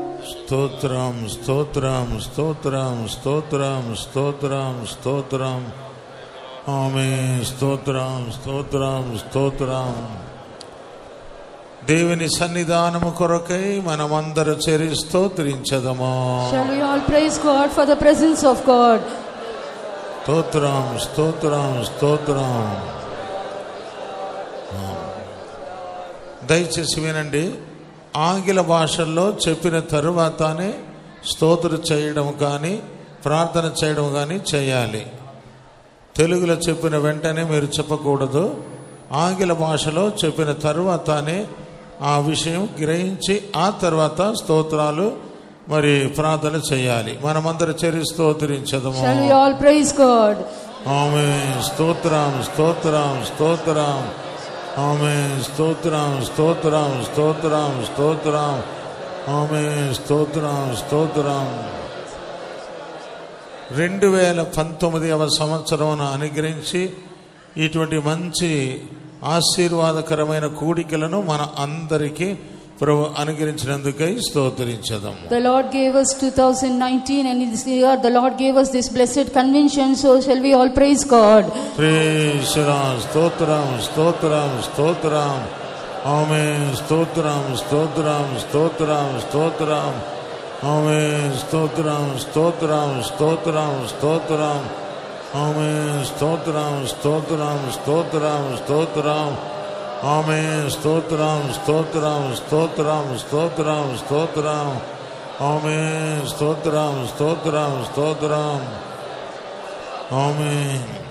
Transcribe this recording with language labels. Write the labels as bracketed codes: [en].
[te] స్తోత్రం స్తోత్రం స్తోత్రం స్తోత్రం స్తోత్రం ఆమేన్ స్తోత్రం స్తోత్రం స్తోత్రం దేవుని సన్నిధానము కొరకై మనమందరం చేరి స్తోత్రించదము. [en] Shall we all praise God for the presence of God? [te] స్తోత్రం స్తోత్రం స్తోత్రం. దయచేసి వినండి, ఆంగ్ల భాషల్లో చెప్పిన తరువాతనే స్తోత్ర చేయడం కానీ ప్రార్థన చేయడం కానీ చేయాలి. తెలుగులో చెప్పిన వెంటనే మీరు చెప్పకూడదు, ఆంగ్ల భాషలో చెప్పిన తరువాతనే ఆ విషయం గ్రహించి ఆ తర్వాత స్తోత్రాలు మరి ప్రార్థన చేయాలి. మనమందరం చేరి స్తోత్రించదము. [en] Shall we all praise God? [te] ఆమేన్ స్తోత్రం స్తోత్రం స్తోత్రం ఆమేన్ స్తోత్రం స్తోత్రం స్తోత్రం స్తోత్రం ఆమేన్ స్తోత్రం స్తోత్రం. 2019వ సంవత్సరమును అనుగ్రహించి ఇటువంటి మంచి ఆశీర్వాదకరమైన కూడికలను మన అందరికీ ప్రభు అనుగ్రహించినందుకై స్తోత్రించదాం. [en] The Lord gave us 2019 and in this year the Lord gave us this blessed convention, so shall we all praise God. [te] ప్రేసరం స్తోత్రం స్తోత్రం స్తోత్రం ఆమేన్ స్తోత్రం స్తోత్రం స్తోత్రం స్తోత్రం ఆమేన్ స్తోత్రం స్తోత్రం స్తోత్రం స్తోత్రం ఆమేన్ స్తోత్రం స్తోత్రం స్తోత్రం స్తోత్రం ఆమేన్ స్తోత్రం స్తోత్రం స్తోత్రం స్తోత్రం స్తోత్రం ఆమేన్ స్తోత్రం స్తోత్రం స్తోత్రం ఆమేన్.